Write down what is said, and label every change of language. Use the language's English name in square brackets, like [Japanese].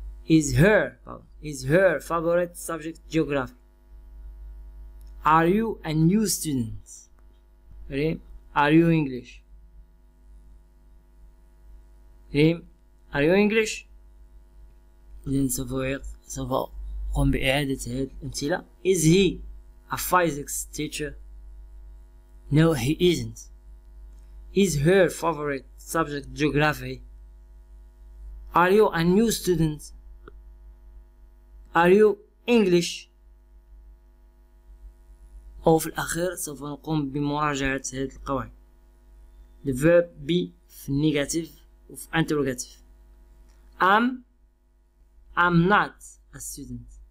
[English] Is her favorite subject geography? Are you a new student? Ready? Are you English? ريم Are you English? [Arabic] إذن سوف قم بإعادة هذه الأمثلة. [English] Is he a physics teacher? No, he isn't. Is her favorite subject geography? Are you a new student? Are you English? [Arabic] أو في الأخير سوف نقوم بمراجعة هذه القواعد. [English] The verb be [Arabic] في [English] negative [Arabic] وفي [English] interrogative. I'm not a student.